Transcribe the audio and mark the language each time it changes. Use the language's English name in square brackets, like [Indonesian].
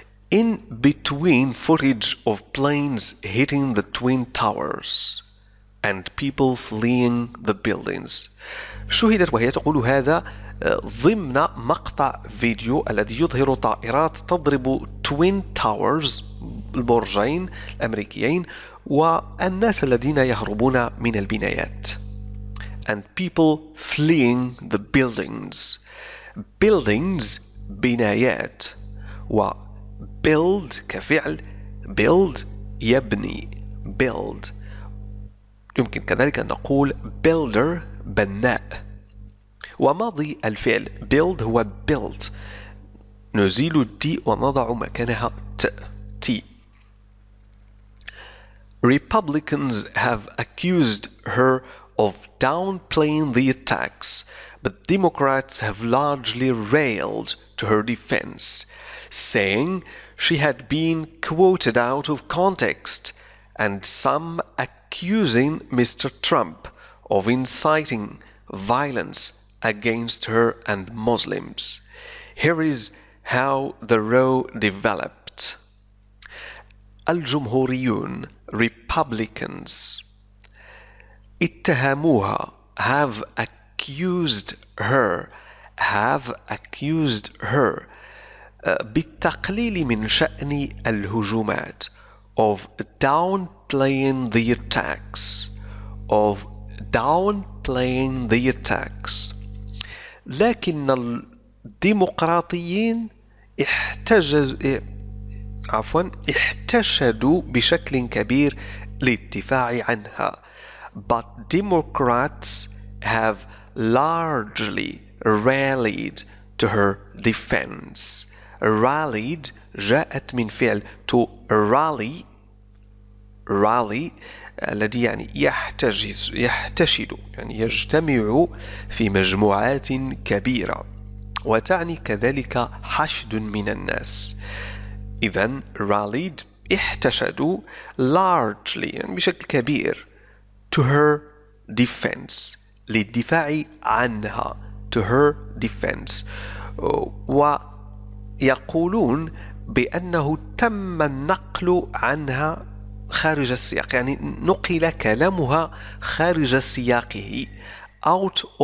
[English] In between footage of planes hitting the twin towers and people fleeing the buildings. [Arabic] شهدت وهي تقول هذا ضمن مقطع فيديو الذي يظهر طائرات تضرب [English] twin towers [Arabic] البرجين الأمريكيين والناس الذين يهربون من البنايات. [English] And people fleeing the buildings. Buildings بنايات. [Arabic] و build كفعل build يبني build. يمكن كذلك أن نقول builder بناء. وماضي الفعل build هو built. نزيل الـ دي ونضع مكانها ت. تي. [English] Republicans have accused her of downplaying the attacks, but Democrats have largely railed to her defense, saying she had been quoted out of context, and some accusing Mr. Trump of inciting violence against her and Muslims. Here is how the row developed. [Arabic] الجمهوريون [English] Republicans [Arabic] اتهموها [English] have accused her [Arabic] بالتقليل من شأن الهجومات [English] of downplaying the attacks [Arabic] لكن الديمقراطيين احتشدوا بشكل كبير للدفاع عنها. [English] But Democrats have largely rallied to her defense. [Arabic] Rallied جاءت من فعل [English] to rally. [Arabic] Rally الذي يعني يحتشد يعني يجتمع في مجموعات كبيرة وتعني كذلك حشد من الناس. إذن rallied احتشدوا largely يعني بشكل كبير [English] to her defense [Arabic] للدفاع عنها to her defense ويقولون بأنه تم النقل عنها خارج السياق يعني نقل كلامها خارج سياقه out